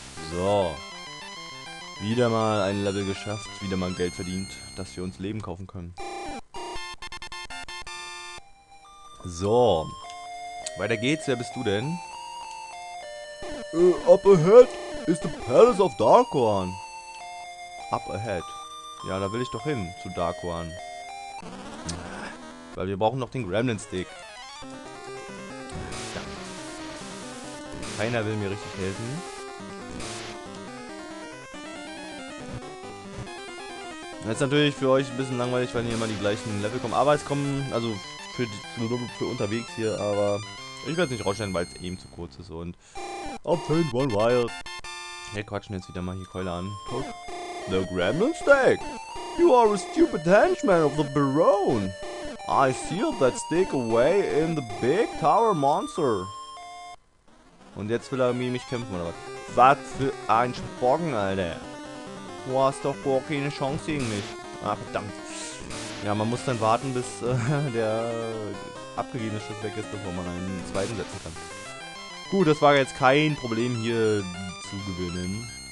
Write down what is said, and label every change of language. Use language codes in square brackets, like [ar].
[de] So, wieder mal ein Level geschafft, wieder mal Geld verdient, dass wir uns Leben kaufen können. So, weiter geht's, wer bist du denn? [en] Up ahead is the Palace of Darkhorn. Up ahead, [de] ja, da will ich doch hin, zu Darkhorn. Weil wir brauchen noch den Gremlin Stick. Keiner will mir richtig helfen. Das ist natürlich für euch ein bisschen langweilig, weil hier immer die gleichen Level kommen. Aber es kommen, also für unterwegs hier, aber ich werde es nicht rausstellen, weil es eben zu kurz ist. Und auf Feld One Wild. Wir quatschen jetzt wieder mal hier Keule an. [en] The Gremlin Stick! You are a stupid henchman of the Barone! I sealed that stick away in the big tower monster! [de] Und jetzt will er mit mich kämpfen, oder was? Was für ein Spocken, Alter! Du hast doch wohl keine Chance gegen mich. Ah, verdammt. Ja, man muss dann warten, bis der abgegebene Schuss weg ist, bevor man einen zweiten setzen kann. Gut, das war jetzt kein Problem hier zu gewinnen.